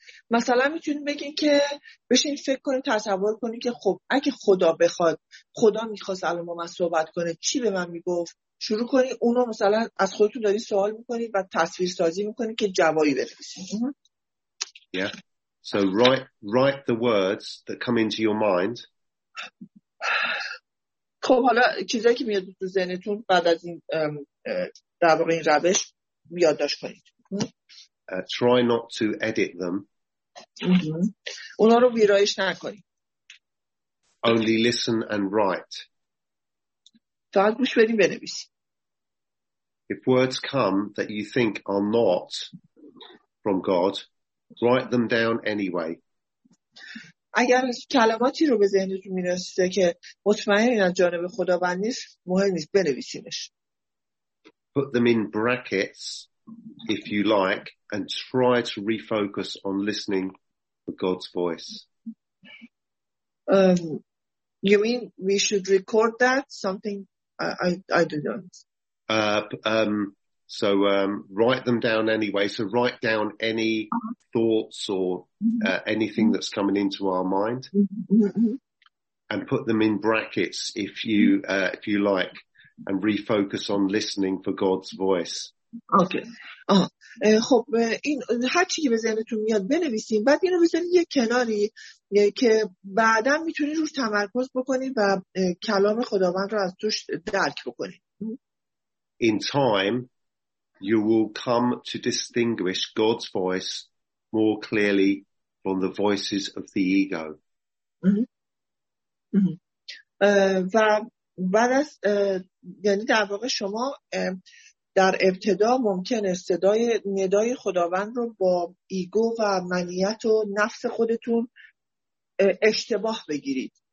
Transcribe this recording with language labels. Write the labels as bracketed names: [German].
[Persian] مثلا میتونید بگین که بشین فکر کنید، تصور کنید که خب اگه خدا بخواد، خدا میخواست الان با من صحبت کنه، چی به من میگفت؟ شروع کنید اونو مثلا از خودتون دارید سوال میکنید و تصویر سازی میکنید که جوابی بدید. [English] Yeah. So write the words that come into your mind. [Persian] خب حالا چیزی که میاد تو ذهنتون بعد از این در واقع این روش یادداشت کنید. [English] Try not to edit them. [Persian] اونا رو ویرایش نکنید. [English] Only listen and write. [Persian] فقط گوش بدین بنویسید. [English] If words come that you think are not from God, write them down anyway. [Persian] اگر کلماتی رو به ذهنتون میرسه که مطمئنین از جانب خداوند نیست، مهم نیست بنویسینش. [English] Put them in brackets if you like and try to refocus on listening for God's voice. You mean we should record that something I do not. Write them down anyway. So write down any thoughts or anything that's coming into our mind, and put them in brackets if you like, and refocus on listening for God's voice. Okay. [Persian] خب این هر چی که به ذهنتون میاد بنویسین، بعد اینو بذارین یه کناری که بعداً میتونید روش تمرکز بکنید و کلام خداوند رو از توش درک بکنید. In time, you will come to distinguish God's voice more clearly from the voices of the ego. و بعد از یعنی در واقع شما در ابتدا ممکنه صدای ندای خداوند رو با ایگو و منیت و نفس خودتون اشتباه بگیرید.